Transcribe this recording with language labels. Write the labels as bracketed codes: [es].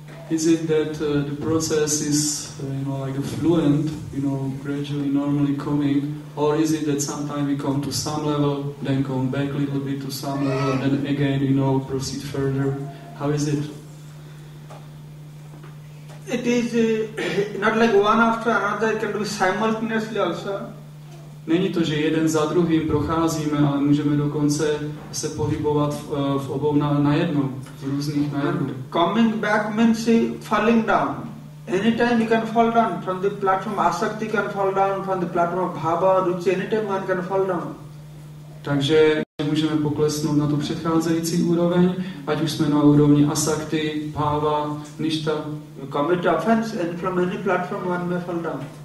[en] Is it that the process is, you know, like a fluent, you know, gradually, normally coming, or is it that sometimes we come to some level, then come back a little bit to some level, and then again, you know, proceed further? How is it? It is not like one after another. It can be simultaneously also. [cs] Není to, že jeden za druhým procházíme, ale můžeme dokonce se pohybovat v obou najednou, v různých najednou. [en] Coming back means falling down. Anytime you can fall down from the platform asakti, can fall down from the platform bhava, ruchi, anytime one can fall down. [cs] Takže můžeme poklesnout na tu předcházející úroveň, ať už jsme na úrovni asakti, bhava, nishtha. [en] You commit offense and from any platform one may fall down.